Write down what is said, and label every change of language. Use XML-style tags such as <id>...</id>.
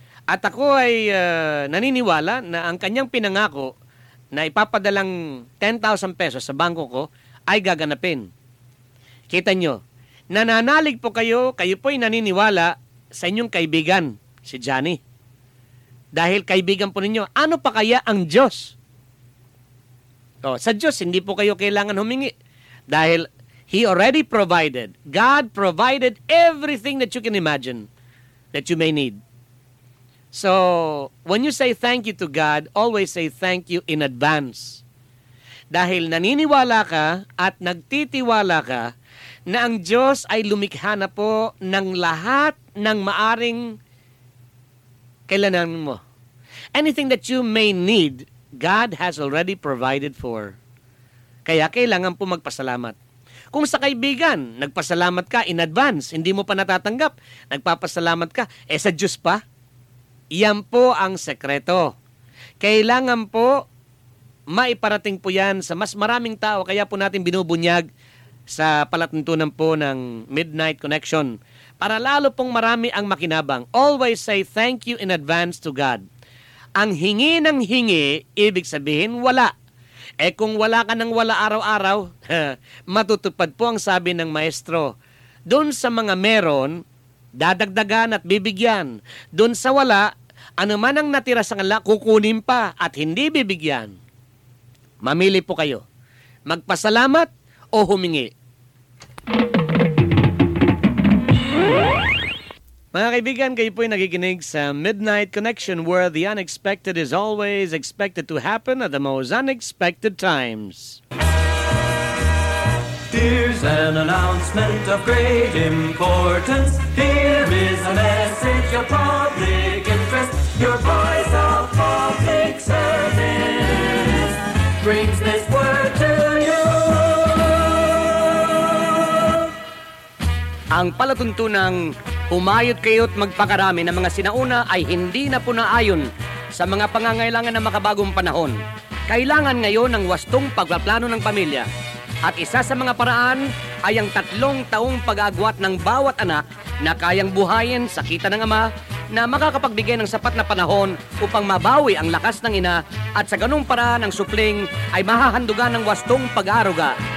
<tl>At ako ay naniniwala na ang kanyang pinangako na ipapadalang 10,000 pesos sa bangko ko ay gaganapin. Kita nyo? Nananalig po kayo, kayo po'y naniniwala sa inyong kaibigan, si Johnny. Dahil kaibigan po ninyo, ano pa kaya ang Diyos? Sa Diyos, hindi po kayo kailangan humingi.</tl> <en>Dahil He already provided, God provided everything that you can imagine that you may need. So, when you say thank you to God, always say thank you in advance.</en> <tl>Dahil naniniwala ka at nagtitiwala ka na ang Diyos ay lumikha na po ng lahat ng maaring kailanganin mo.</tl> <en>Anything that you may need, God has already provided for.</en> <tl>Kaya kailangan po magpasalamat. Kung sa kaibigan, nagpasalamat ka in advance, hindi mo pa natatanggap, nagpapasalamat ka, sa Diyos pa. Yan po ang sekreto. Kailangan po maiparating po yan sa mas maraming tao, kaya po natin binubunyag sa palatuntunan po ng Midnight Connection.</tl> <en>Para lalo pong marami ang makinabang, always say thank you in advance to God.</en> <tl>Ang hingi ng hingi, ibig sabihin wala. Eh kung wala ka ng wala araw-araw, matutupad po ang sabi ng maestro. Doon sa mga meron, dadagdagan at bibigyan. Doon sa wala, anuman ang natira sa kanila, kukunin pa at hindi bibigyan. Mamili po kayo. Magpasalamat o humingi.</tl> <en>Mga kaibigan, kayo po'y nagiginig sa Midnight Connection where the unexpected is always expected to happen at the most unexpected times. Here's an announcement of great importance. Here is a message of public interest. Your voice of public service brings this word to you.</en> <tl>Ang palatuntunang humayot kayo't magpakarami ng mga sinauna ay hindi na po naayon sa mga pangangailangan ng makabagong panahon. Kailangan ngayon ng wastong pagplano ng pamilya. At isa sa mga paraan ay ang tatlong taong pag-aagwat ng bawat anak na kayang buhayin sa kita ng ama na makakapagbigay ng sapat na panahon upang mabawi ang lakas ng ina at sa ganung paraan ang supling ay mahahandugan ng wastong pag-aaruga.</tl>